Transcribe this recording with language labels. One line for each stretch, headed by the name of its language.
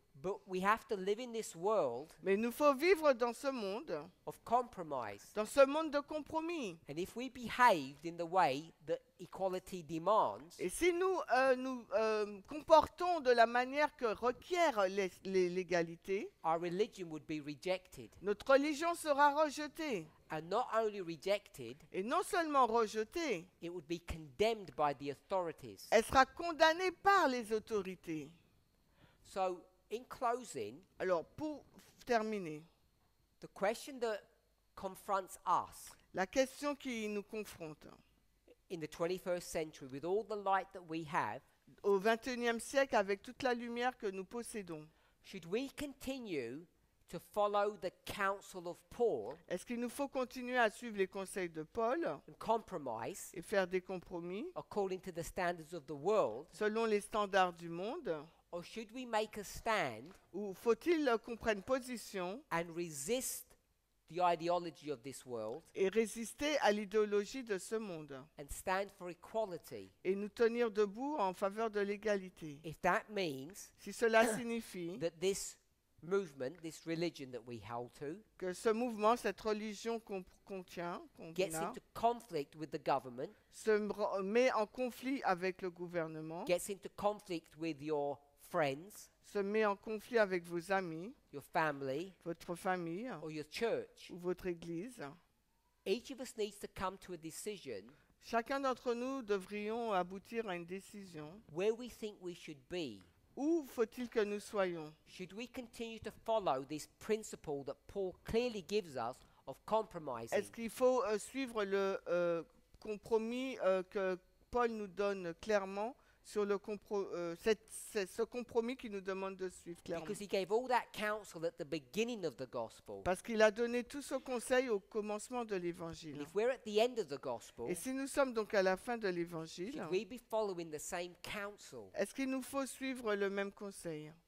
English: but we have to live in this world,
French: mais nous faut vivre dans ce monde,
English: of compromise,
French: dans ce monde de compromis,
English: and if we behaved in the way that equality demands,
French: et si nous comportons de la manière que requiert l'égalité,
English: our religion would be rejected,
French: notre religion sera rejetée,
English: and not only rejected,
French: et non seulement rejetée,
English: it would be condemned by the authorities,
French: elle sera condamnée par les autorités.
English: So in closing,
French: alors pour terminer,
English: the question that confronts us,
French: la question qui nous confronte,
English: in the 21st century with all the light that we have,
French: au 21e siècle avec toute la lumière que nous possédons,
English: should we continue to follow the counsel of Paul?
French: Est-ce qu'il nous faut continuer à suivre les conseils de Paul?
English: And compromise,
French: et faire des compromis,
English: according to the standards of the world,
French: selon les standards du monde?
English: Or should we make a stand,
French: ou faut-il qu'on prenne position,
English: and resist the ideology of this world,
French: et résister à l'idéologie de ce monde,
English: and stand for equality,
French: et nous tenir debout en faveur de l'égalité,
English: if that means,
French: si cela signifie
English: that this movement, this religion that we held to,
French: que ce mouvement, cette religion qu'on tient, qu'on
English: gets into conflict with the government,
French: se met en conflit avec le gouvernement,
English: gets into conflict with your friends,
French: se met en conflit avec vos amis,
English: your family,
French: votre famille,
English: or your church,
French: ou votre église,
English: each of us needs to come to a decision,
French: chacun d'entre nous devrions aboutir à une décision,
English: where we think we should be.
French: Où faut-il que nous soyons?
English: Should we continue to follow this principle that Paul clearly gives us of compromising?
French: Est-ce qu'il faut suivre le compromis que Paul nous donne clairement sur le ce compromis qu'il nous demande de suivre clairement?
English: Because he gave all that counsel at the beginning of the gospel.
French: Parce qu'il a donné tout ce conseil au commencement de l'évangile.
English: And if we're at the end of the gospel,
French: et si nous sommes donc à la fin de l'évangile,
English: should we be following the same counsel?
French: Est-ce qu'il nous faut suivre le même conseil?